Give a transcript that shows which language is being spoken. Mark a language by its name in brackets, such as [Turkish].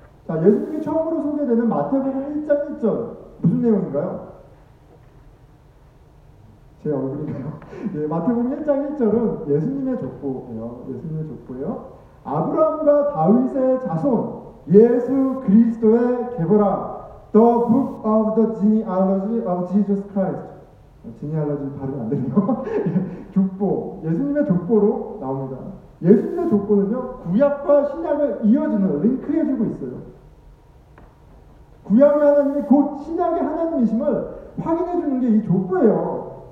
[Korean] 자, 예수님이 처음으로 소개되는 마태복음 1장 1절 무슨 내용인가요? 제 얼굴이네요. 예, 마태복음 1장 1절은 예수님의 족보예요. 예수님의 족보예요. 아브라함과 다윗의 자손 예수 그리스도의 계보라. [English] The book of the genealogy of Jesus Christ. [Korean] 지니알로지 발음 안 되네요. 족보. 예수님의 족보로 나옵니다. 예수님의 족보는요, 구약과 신약을 이어주는 링크해주고 있어요. 구약의 하나님이 곧 신약의 하나님이심을 확인해주는 게 이 족보예요.